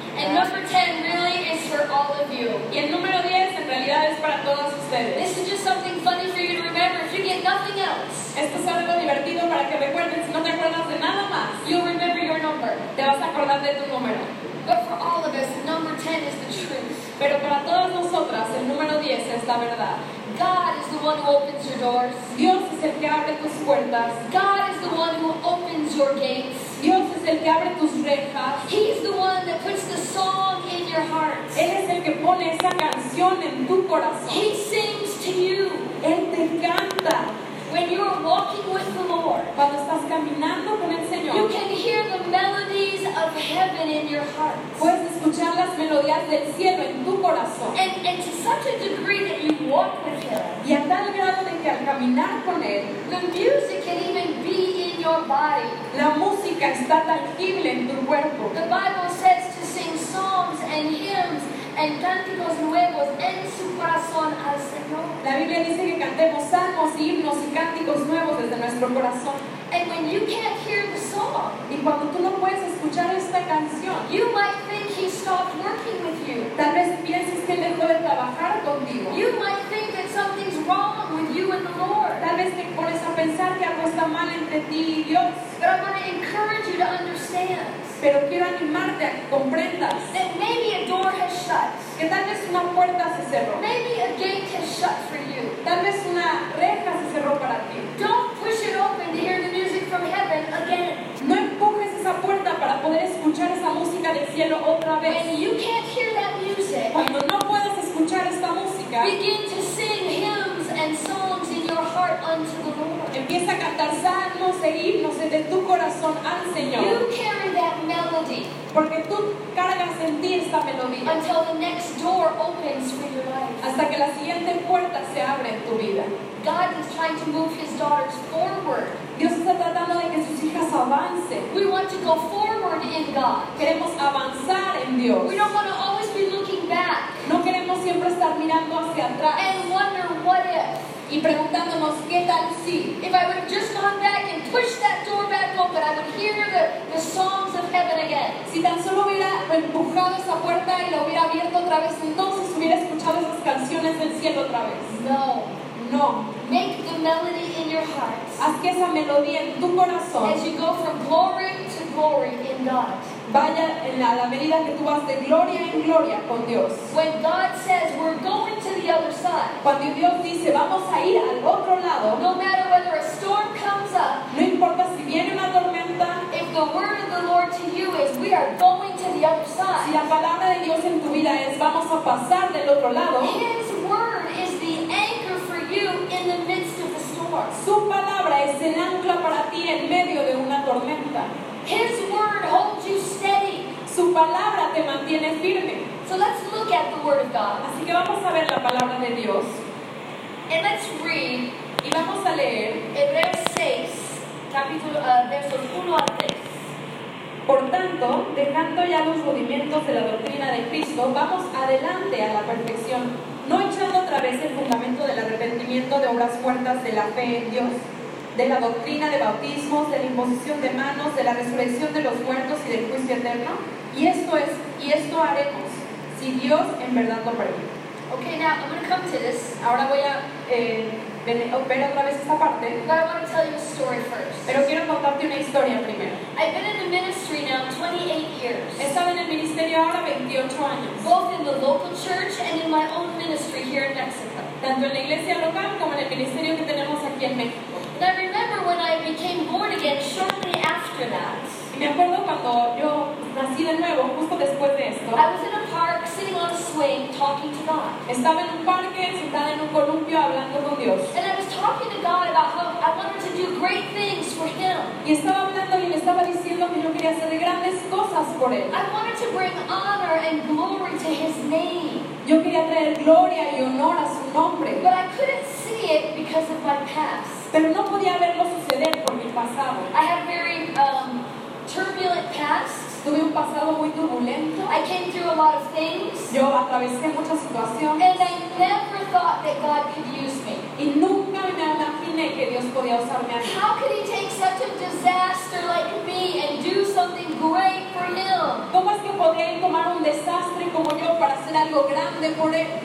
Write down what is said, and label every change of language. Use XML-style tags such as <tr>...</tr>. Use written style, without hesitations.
<en>And number 10 really is for all of you.</en> <es>Y el número 10 en realidad es para todos ustedes.</es> <en>This is just something funny for you to remember if you get nothing else.</en> <es>Esto es algo divertido para que recuerdes si no te acuerdas de nada más.</es> <en>You'll remember your number.</en> <es>Te vas a acordar de tu número.</es> <en>But for all of us, number 10 is the truth.</en> <es>Pero para todas nosotras, el número 10 es la verdad.</es> <en>God is the one who opens your doors.</en> <es>Dios es el que abre tus puertas.</es> <en>God is the one who opens your gates.</en> <es>Dios es el que abre tus rejas.</es> <en>He is the one that puts the song in your heart.</en> <es>Él es el que pone esa canción en tu corazón.</es> <en>He sings to you.</en> <es>Él te canta.</es> <en>When you are walking with the Lord,</en> <es>cuando estás caminando con el Señor,</es> <en>you can hear the melodies of heaven in your heart.</en> <es>Puedes escuchar las melodías del cielo en tu corazón.</es> <en>And to such a degree that you walk with Him,</en> <es>y a tal grado de que al caminar con Él,</es> <en>the music can even be in your body.</en> <es>La música está tangible en tu cuerpo.</es> <en>The Bible says to sing songs and hymns</en> <es>en cánticos nuevos en su corazón al Señor. La Biblia dice que cantemos salmos, himnos y cánticos nuevos desde nuestro corazón.</es> <en>And when you can't hear the song,</en> <es>y cuando tú no puedes escuchar esta canción,</es> <en>you might think He stopped working with you.</en> <es>Tal vez pienses que Él dejó de trabajar contigo.</es> <en>You might think that something's wrong with you and the Lord.</en> <es>Tal vez te pones a pensar que algo está mal entre ti y Dios.</es> <en>But I want to encourage you to understand.</en> <es>Pero quiero animarte a que comprendas.</es> <en>That maybe a door has shut.</en> <es>Que tal vez una puerta se cerró.</es> <en>Maybe a gate has shut for you.</en> <es>Tal vez una reja se cerró para ti.</es> <en>Don't push it open to hear the music from heaven again.</en> <es>No empujes esa puerta para poder escuchar esa música del cielo otra vez.</es> <en>When you can't hear that music,</en> <es>cuando no puedas escuchar esta música,</es> <en>begin to sing hymns and songs in your heart unto the Lord.</en> <es>Empieza a cantar salmos e himnos desde tu corazón al Señor.</es> <en>You carry that melody.</en> <es>Porque tú cargas en ti esta melodía.</es> <en>Until the next door opens for your life.</en> <es>Hasta que la siguiente puerta se abre en tu vida.</es> <en>God is trying to move His daughters forward.</en> <es>Dios está tratando de que sus hijas avancen.</es> <en>We want to go forward in God.</en> <es>Queremos avanzar en Dios.</es> <en>We don't want to always be looking back.</en> <es>No queremos siempre estar mirando hacia atrás.</es> <en>And wonder what if.</en> <es>Y preguntándonos qué tal si.</es> <en>If I would have just gone back and pushed that door back open, I would hear the songs of heaven again.</en> <es>Si tan solo hubiera empujado esa puerta y la hubiera abierto otra vez, entonces hubiera escuchado esas canciones del cielo otra vez.</es> <en>No.</en> <es>No.</es> <en>Make the melody in your heart.</en> <es>Haz que esa melodía en tu corazón.</es> <en>As you go from glory to glory in God.</en> <es>Vaya en la medida que tú vas de gloria en gloria con Dios.</es> <en>When God says we're going to the other side.</en> <es>Cuando Dios dice vamos a ir al otro lado.</es> <en>No matter whether a storm comes up.</en> <es>No importa si viene una tormenta.</es> <en>If the word of the Lord to you is we are going to the other side.</en> <es>Si la palabra de Dios en tu vida es vamos a pasar del otro lado.</es> <en>His word is the anchor for you in the midst of the storm.</en> <es>Su palabra es el ancla para ti en medio de una tormenta.</es> <en>His word holds you steady.</en> <es>Su palabra te mantiene firme.</es> <en>So let's look at the word of God.</en> <es>Así que vamos a ver la palabra de Dios.</es> <en>And let's read.</en> <es>Y vamos a leer Hebreos 6, versos 1 a 3. Por tanto, dejando ya los rudimentos de la doctrina de Cristo, vamos adelante a la perfección, no echando otra vez el fundamento del arrepentimiento de obras muertas de la fe en Dios, de la doctrina de bautismos, de la imposición de manos, de la resurrección de los muertos y del juicio eterno. Y esto haremos, si Dios en verdad lo permite.</es> <en>Okay, now I'm going to come to this.</en> <es>Ahora voy a ver otra vez esta parte.</es> <en>But I want to tell you a story first.</en> <es>Pero quiero contarte una historia primero.</es> <en>I've been in the ministry now 28 years.</en> <es>He estado en el ministerio ahora 28 años.</es> <en>Both in the local church and in my own ministry here in Mexico.</en> <es>Tanto en la iglesia local como en el ministerio que tenemos aquí en México.</es> <en>And I remember when I became born again shortly after that.</en> <es>Y me acuerdo cuando yo nací de nuevo, justo después de esto.</es> <en>I was in a park, sitting on a swing, talking to God.</en> <es>Estaba en un parque, sentada en un columpio, hablando con Dios.</es> <en>And I was talking to God about how I wanted to do great things for Him.</en> <es>Y estaba hablando y me estaba diciendo que yo quería hacer grandes cosas por Él.</es> <en>I wanted to bring honor and glory to His name.</en> <es>Yo quería traer gloria y honor a su nombre.</es> <en>But I couldn't see it because of my past.</en> <es>Pero no podía verlo suceder por mi pasado.</es> <en>I have very turbulent past.</en> <es>Tuve un pasado muy turbulento.</es> <en>I came through a lot of things.</en> <es>Yo atravesé muchas situaciones.</es> <en>And I never thought that God could use me.</en> <es>Y nunca me imaginé que Dios podía usarme a mí.</es> <en>How could He take such a disaster like me and do something great for Him?</en> <es>¿Cómo es que podía Él tomar un desastre como yo para hacer algo grande por Él?</es>